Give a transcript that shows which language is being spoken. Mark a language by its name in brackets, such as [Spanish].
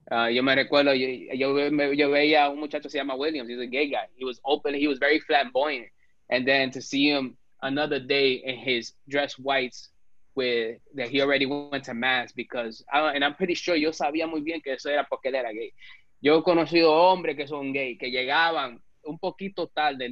[Spanish] Yo me recuerdo, yo veía un muchacho se llama Williams. [English] He's a gay guy. He was open. He was very flamboyant. And then to see him another day in his dress whites, with that he already went to mass because. And I'm pretty sure [Spanish] yo sabía muy bien que eso era porque él era gay. Yo he conocido hombres que son gay que llegaban un poquito tarde.